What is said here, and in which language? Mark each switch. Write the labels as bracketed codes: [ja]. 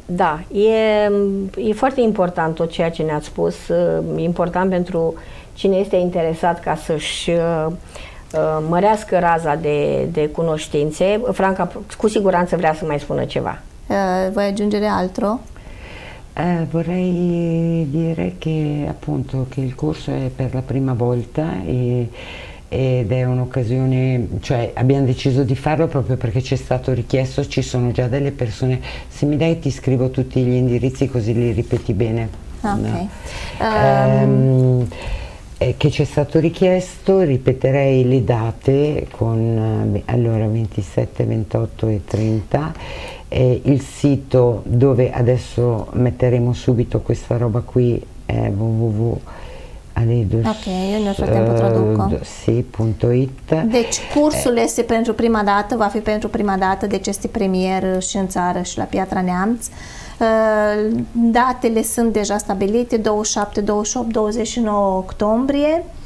[ro] Da, e foarte important tot ceea ce ne-ați spus, e important pentru cine este interesat ca să-și mărească raza de cunoștințe. Franca, cu siguranță vrea să mai spună ceva. [it] Voi ajunge de altro? Vorrei dire che, appunto, che il corso è per la prima volta ed è un'occasione, cioè abbiamo deciso di farlo proprio perché ci è stato richiesto, ci sono già delle persone. Se mi dai ti scrivo tutti gli indirizzi così li ripeti bene. Ok. No. Che ci è stato richiesto, ripeterei le date con allora 27, 28 e 30, il sito dove adesso metteremo subito questa roba qui è www.aledus.it. Ok, io nel frattempo traduco. [ro] Deci cursul este pentru prima dată, va fi pentru prima dată, deci este premier și în țară și la Piatra Neamț. Datele sunt deja stabilite, 27, 28, 29 octombrie.